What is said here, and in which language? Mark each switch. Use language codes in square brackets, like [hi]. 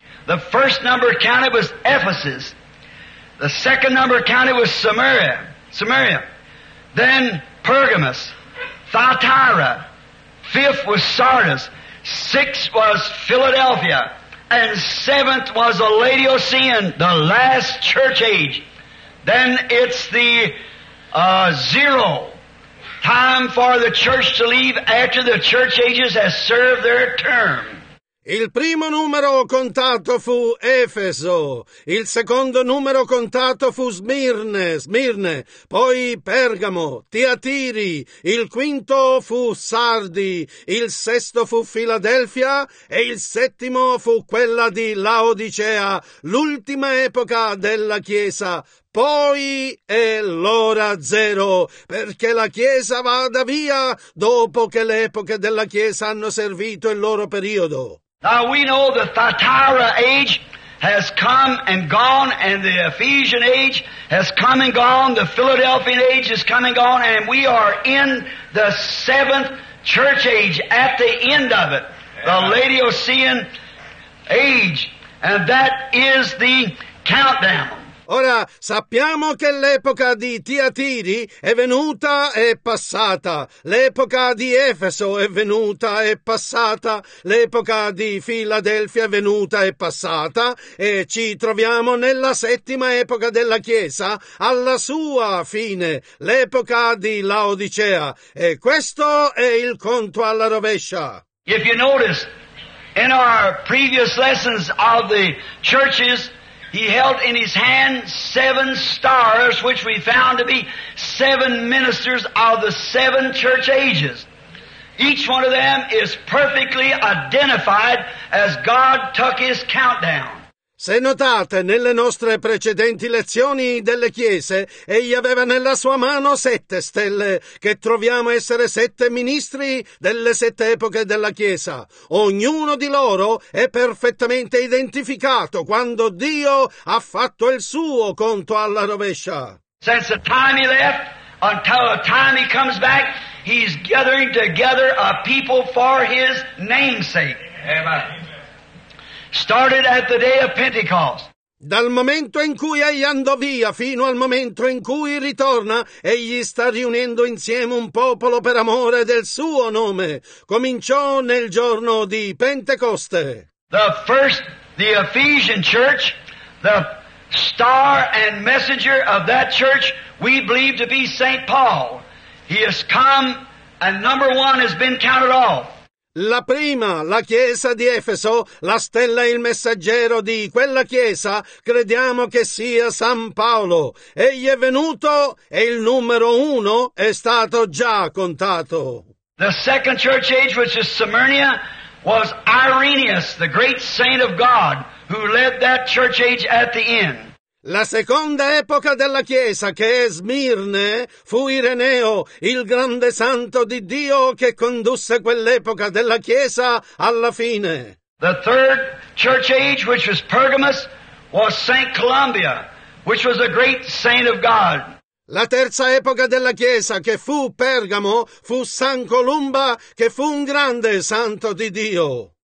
[en] The first number counted was Ephesus. The second number counted was Samaria. Then Pergamos, Thyatira. Fifth was Sardis. Sixth was Philadelphia. And 7th was the Laodicean, the last church age. Then it's the zero. Time for the church to leave after the church ages has served their term. [it] Il primo numero contato fu Efeso, il secondo numero contato fu Smirne, poi Pergamo, Tiatiri, il quinto fu Sardi, il sesto fu Filadelfia e il settimo fu quella di Laodicea, l'ultima epoca della Chiesa, poi è l'ora zero, perché la Chiesa vada via dopo che le epoche della Chiesa hanno servito il loro periodo. [en] Now we know the Thyatira age has come and gone, and the Ephesian age has come and gone, the Philadelphian age is come and gone, and we are in the seventh church age at the end of it, the Laodicean age, and that is the countdown. [it] Ora, sappiamo che l'epoca di Tiatiri è venuta e passata, l'epoca di Efeso è venuta e passata, l'epoca di Filadelfia è venuta e passata, e ci troviamo nella settima epoca della Chiesa, alla sua fine, l'epoca di Laodicea, e questo è il conto alla rovescia. [en] If you notice, in our previous lessons of the churches, he held in his hand seven stars, which we found to be seven ministers of the seven church ages. Each one of them is perfectly identified as God took his countdown. [it] Se notate, nelle nostre precedenti lezioni delle chiese, egli aveva nella sua mano sette stelle, che troviamo essere sette ministri delle sette epoche della Chiesa. Ognuno di loro è perfettamente identificato quando Dio ha fatto il suo conto alla rovescia. [en] Since the time he left, until the time he comes back, he's gathering together a people for his namesake. Amen. Started at the day of Pentecost. [it] Dal momento in cui egli andò via fino al momento in cui ritorna, egli sta riunendo insieme un popolo per amore del suo nome. Cominciò nel giorno di Pentecoste. [en] The Ephesian church, the star and messenger of that church, we believe to be Saint Paul. He has come and number one has been counted off. [it] La prima, la chiesa di Efeso, la stella e il messaggero di quella chiesa, crediamo che sia San Paolo. Egli è venuto e il numero uno è stato già contato. [en] The second church age, which is Smyrna, was Irenaeus, the great saint of God, who led that church age at the end. [it] La seconda epoca della Chiesa, che è Smirne, fu Ireneo, il grande santo di Dio che condusse quell'epoca della Chiesa alla fine. [en] The third church age, which was Pergamos, was Saint Columba, which was a great saint of God. [it] La terza epoca della Chiesa, che fu Pergamo, fu San Columba, che fu un grande santo di Dio.